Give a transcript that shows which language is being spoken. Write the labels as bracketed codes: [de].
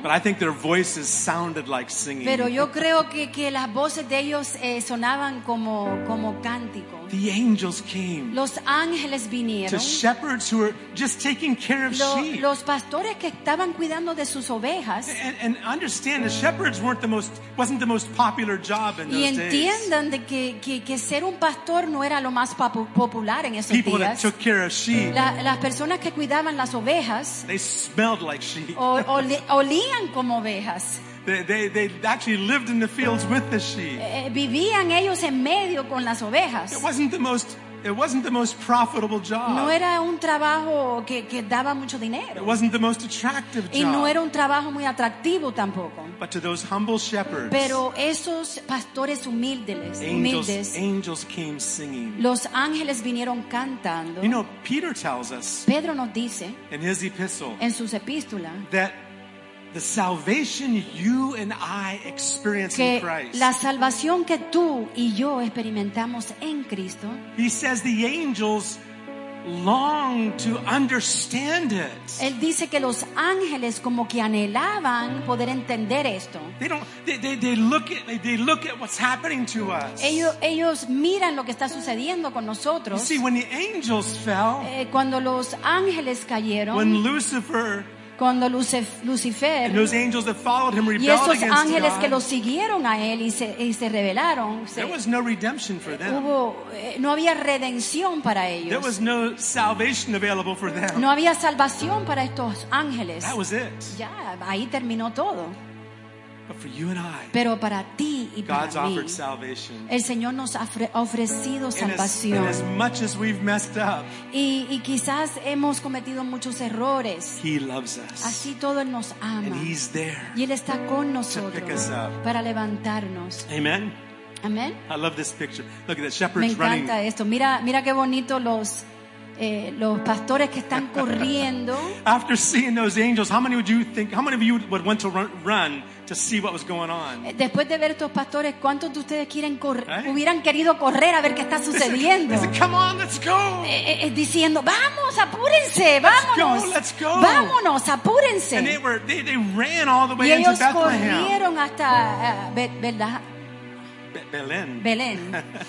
[en] But I think their voices sounded like singing. [es] Pero yo creo que las voces de ellos sonaban como cántico. [en] The angels came. [es] Los ángeles vinieron. [en] To shepherds who were just taking care of sheep. [es] Los pastores que estaban cuidando de sus ovejas. [en] And understand, the shepherds weren't the most wasn't the most popular job in those days. [es] Y entiendan que ser un pastor no era lo más popular en esos [en] people People that took care of sheep. [es] Las personas que cuidaban las ovejas, [en] they smelled like sheep. [es] olían como ovejas. [en] They actually lived in the fields with the sheep. [es] Vivían ellos en medio con las ovejas. [en] It wasn't the most profitable job. [es] No era un trabajo que daba mucho dinero. [en] It wasn't the most attractive job. [es] Y no era un trabajo muy atractivo tampoco. [en] But to those humble shepherds, [es] pero esos pastores humildes, [en] angels came singing. [es] Los ángeles vinieron cantando. [en] You know, Peter tells us, [es] Pedro nos dice, [en] in his epistle, [es] en sus epístolas, [en] that the salvation you and I experience [es] que [en] in Christ, [es] la salvación que tú y yo experimentamos en Cristo, [en] he says the angels long to understand it. [es] Él dice que los ángeles como que anhelaban poder entender esto. [en] They don't. They look at what's happening to us. [es] Ellos miran lo que está sucediendo con nosotros. [en] You see, when the angels fell, [es] cuando los ángeles cayeron, [en] when Lucifer, [es] cuando Lucifer, [en] and those angels that followed him rebelled against God, [es] y esos ángeles que lo siguieron a él y se rebelaron, [en] there was no redemption for them. [es] No había redención para ellos. [en] There was no salvation available for them. [es] No había salvación para estos ángeles. [en] That was it. [es] Ya, ahí terminó todo. [en] But for you and I, [es] pero para ti y [en] God's [es] para mí, [en] offered salvation. [es] El Señor nos ha ofrecido salvación. [en] And as much as we've messed up, [es] y quizás hemos cometido muchos errores, [en] he loves us. [es] Así todo Él nos ama. [en] And he's there, [es] y Él está con nosotros, [en] to pick us up, [es] para levantarnos. [en] Amen. [es] Amen. [en] I love this picture. Look at the shepherds running. [es] Me encanta [en] running. [es] Esto. Mira qué bonito los pastores que están corriendo. [en] After seeing those angels, how many of you would want to run to see what was going on? [es] Después de ver estos pastores, ¿cuántos de ustedes quieren hubieran querido correr a ver qué está sucediendo? [en] They said, come on, let's go. [es] Diciendo, vamos, apúrense, vámonos. [en] Let's go, let's go. [es] Vámonos, apúrense. [en] And they ran all the way into Bethlehem. [es] Y ellos corrieron hasta Belén.